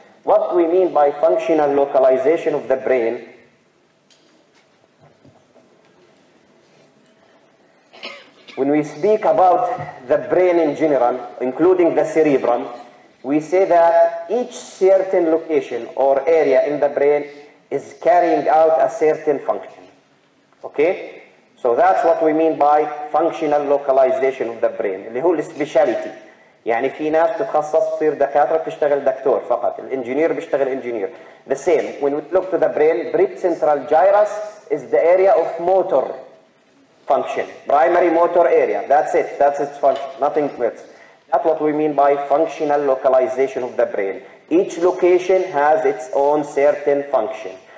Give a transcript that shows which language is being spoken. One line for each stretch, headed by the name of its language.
English: What we mean by functional localization of the brain, when we speak about the brain in general, including the cerebrum, we say that each certain location or area in the brain is carrying out a certain function. Okay? So that's what we mean by functional localization of the brain.
Arabic: اللي هو specialty. يعني في ناس تخصص تصير دكاترة تشتغل دكتور فقط. الانجينير بيشتغل انجينير.
English: The same. When we look to the brain, precentral gyrus is the area of motor function. Primary motor area, that's it. That's its function, nothing else. That's what we mean by functional localization of the brain. Each location has its own certain function.